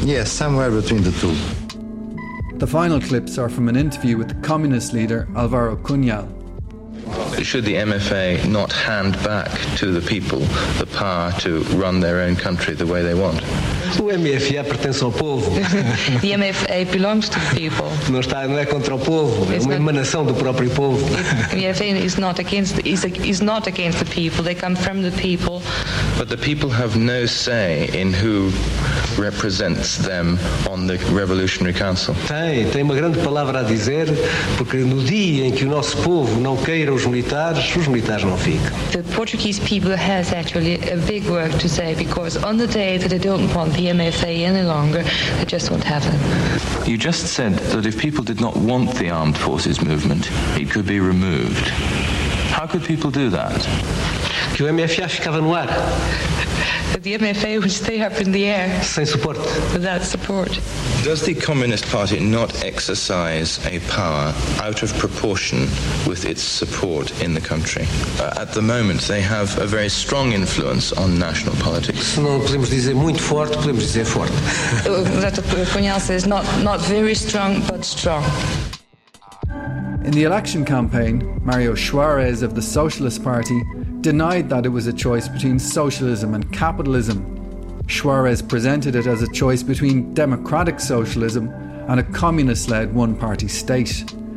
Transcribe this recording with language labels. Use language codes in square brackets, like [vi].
[en] Yes, somewhere between the two. The final clips are from an interview with the communist leader, Alvaro Cunhal. Should the MFA not hand back to the people the power to run their own country the way they want? [pt] O MFA pertence ao povo. [en] The MFA belongs to the people. [pt] Não está, não é contra o povo, é uma emanação do próprio povo. [en] The MFA is not against the people, they come from the people. But the people have no say in who represents them on the Revolutionary Council. [pt] Tem uma grande palavra a dizer, porque no dia em que o nosso povo não queira os militares não ficam. [en] The Portuguese people has actually a big work to say, because on the day that they don't want the MFA any longer, they just won't have them. You just said that if people did not want the armed forces movement, it could be removed. How could people do that? [pt] Que o MFA ficava no ar. [en] The MFA would stay up in the air. [pt] Sem [en] support. Without support. Does the Communist Party not exercise a power out of proportion with its support in the country? At the moment, they have a very strong influence on national politics. [pt] Não podemos dizer muito forte, podemos dizer forte. [en] That Cunhal says not very strong, but strong. In the election campaign, Mario Suarez of the Socialist Party denied that it was a choice between socialism and capitalism. Suarez presented it as a choice between democratic socialism and a communist-led one-party state.